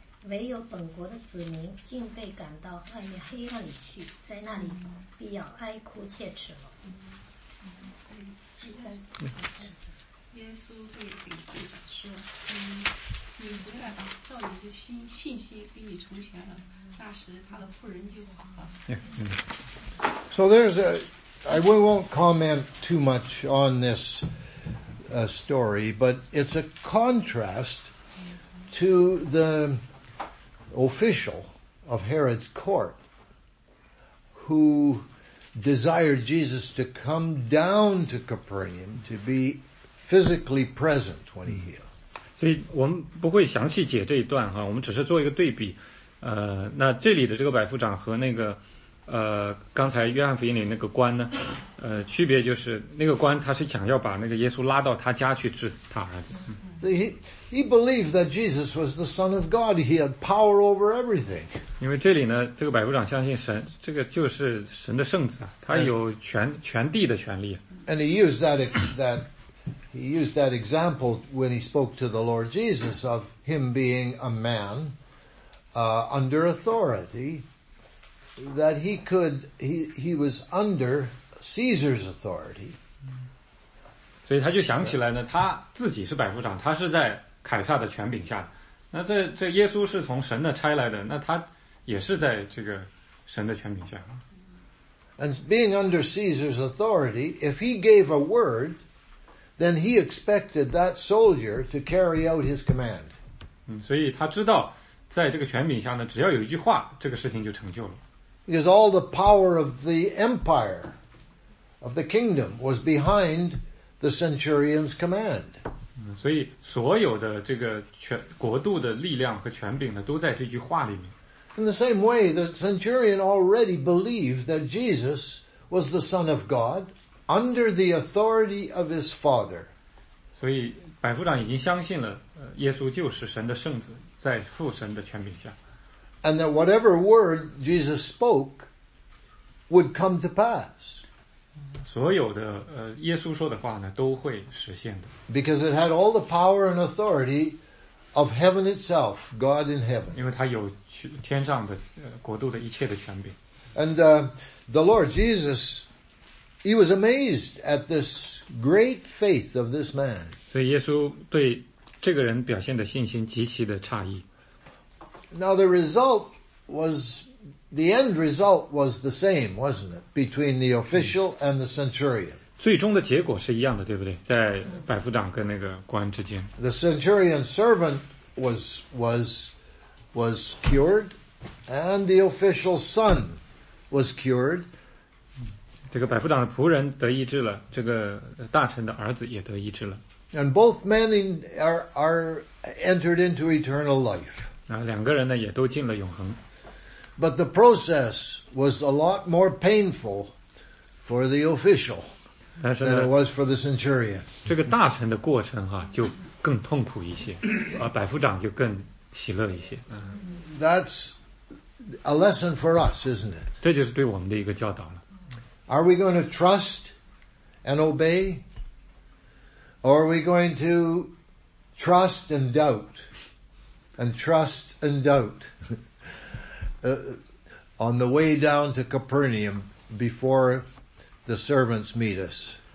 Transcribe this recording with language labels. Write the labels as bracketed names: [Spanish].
[Chinese] 唯有本国的子民竟被赶到外面黑暗里去，在那里必要哀哭切齿了。耶稣对彼得说，你回来吧，照你的信息给你从前了，那时他的仆人就好了。 [English] So there's a, I won't comment too much on this story, but it's a contrast to the official of Herod's court who desired Jesus to come down to Capernaum to be physically present when he healed. [Chinese] 所以我们不会详细解这一段哈，我们只是做一个对比。那这里的这个百夫长和那个刚才约翰福音里那个官呢，区别就是那个官他是想要把那个耶稣拉到他家去治他儿子。 [English] He believed that Jesus was the Son of God. He had power over everything. [Chinese] 因为这里呢，这个百夫长相信神，这个就是神的圣子啊，他有全地的权利。 [English] And he used that example when he spoke to the Lord Jesus of him being a man. Under authority, that he was under Caesar's authority. [Chinese] 所以他就想起来呢，他自己是百夫长，他是在凯撒的权柄下。那这耶稣是从神的差来的，那他也是在这个神的权柄下。 [English] And being under Caesar's authority, if he gave a word, then he expected that soldier to carry out his command. [Chinese] 所以他知道在这个权柄下呢，只要有一句话，这个事情就成就了。 [English] Because all the power of the empire, of the kingdom, was behind the centurion's command. [Chinese] 所以所有的这个权国度的力量和权柄呢，都在这句话里面。 [English] In the same way, the centurion already believed that Jesus was the Son of God under the authority of his Father. [Chinese] 所以百夫长已经相信了，耶稣就是神的圣子，在父神的权柄下。 [English] And that whatever word Jesus spoke would come to pass. [Chinese] 所有的耶稣说的话呢，都会实现的。 [English] Because it had all the power and authority of heaven itself, God in heaven. [Chinese] 因为他有天上的国度的一切的权柄。 [English] And the Lord Jesus, he was amazed at this great faith of this man. [Chinese] 所以耶稣对这个人表现的信心极其的诧异。 [English] Now the result was, the end result was the same, wasn't it? Between the official and the centurion. [Chinese] 最终的结果是一样的，对不对？在百夫长跟那个官之间。 [English] The centurion's servant was cured, and the official's son was cured. [Chinese] 这个百夫长的仆人得医治了，这个大臣的儿子也得医治了。 [English] And both men are entered into eternal life. [Chinese] 两个人呢也都进了永恒。 [English] But the process was a lot more painful for the official than it was for the centurion. [Chinese] 这个大臣的过程啊就更痛苦一些，而百夫长就更喜乐一些。 [English] That's a lesson for us, isn't it? [Chinese] 这就是对我们的一个教导了。 [English] Are we going to trust and obey? Or are we going to trust and doubt? And trust and doubt on the way down to Capernaum before the servants meet us.